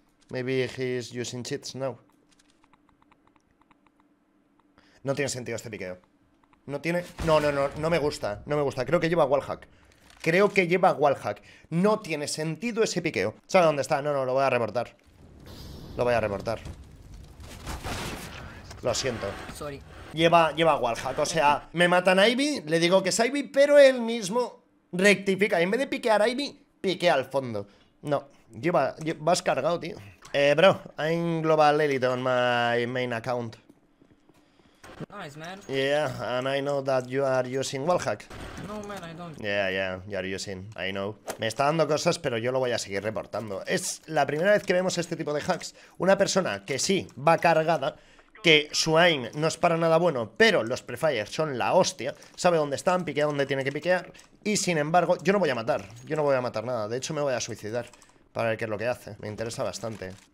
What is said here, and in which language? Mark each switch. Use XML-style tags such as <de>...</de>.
<en>Maybe he's using cheats now.</en> <es>No tiene sentido este piqueo. No tiene... No, no, no, no me gusta. No me gusta. Creo que lleva wallhack. Creo que lleva wallhack. No tiene sentido ese piqueo. ¿Sabe dónde está? No, no, lo voy a reportar. Lo voy a reportar. Lo siento.</es> <en>Sorry.</en> <es>Lleva wallhack. O sea, me matan a Ivy, le digo que es Ivy, pero él mismo... Rectifica, en vez de piquear a Ivy, piquea al fondo. No, vas cargado, tío.</es> <en>Bro, I'm Global Elite on my main account. Nice, man. Yeah, and I know that you are using wallhack. No, man, I don't. Yeah, you are using, I know.</en> <es>Me está dando cosas, pero yo lo voy a seguir reportando. Es la primera vez que vemos este tipo de hacks. Una persona que sí, va cargada, que su aim no es para nada bueno, pero los prefires son la hostia. Sabe dónde están, piquea dónde tiene que piquear. Y sin embargo, yo no voy a matar. Yo no voy a matar nada. De hecho, me voy a suicidar para ver qué es lo que hace. Me interesa bastante.</es>